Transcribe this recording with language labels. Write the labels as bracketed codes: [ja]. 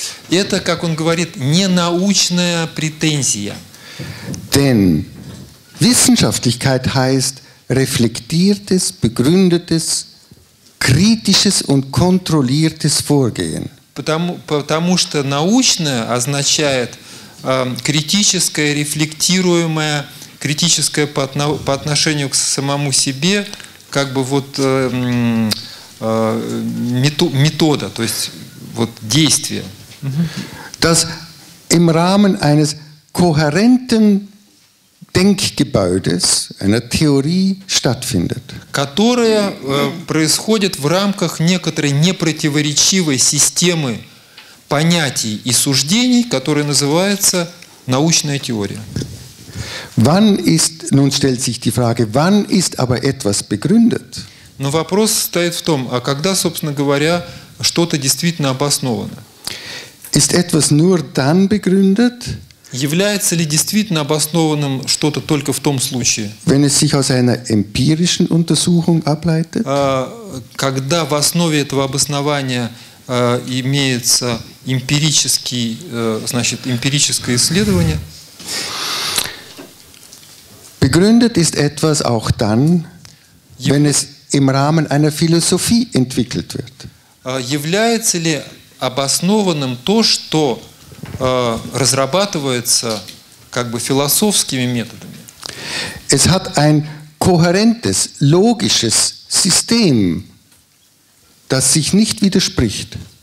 [ru] Это, как он говорит, ненаучная претензия. [de] Denn Wissenschaftlichkeit heißt reflektiertes, begründetes, kritisches und kontrolliertes Vorgehen. [ru] Потому что научное означает критическое, рефлектируемое, критическое по отношению к самому себе, как бы вот метода, то есть вот действие. [de] Das im Rahmen eines kohärenten Denkgebäudes, einer Theorie stattfindet. [ru] Которая происходит в рамках некоторой непротиворечивой системы понятий и суждений, которая называется научная теория. [de] Wann ist, nun stellt sich die Frage, wann ist aber etwas begründet? [ru] Но вопрос стоит в том, а когда, собственно говоря, что-то действительно обосновано? [de] Ist etwas nur dann begründet? [ru] Является ли действительно обоснованным что-то только в том случае, [de] wenn es sich aus einer empirischen Untersuchung ableitet? [ru] Когда в основе этого обоснования имеется эмпирический, значит, эмпирическое исследование? [de] Begründet ist etwas auch dann, wenn es im Rahmen einer Philosophie entwickelt wird. [ru] Является ли обоснованным то, что разрабатывается как бы философскими методами? [de] Es hat ein kohärentes, logisches System, das sich nicht widerspricht.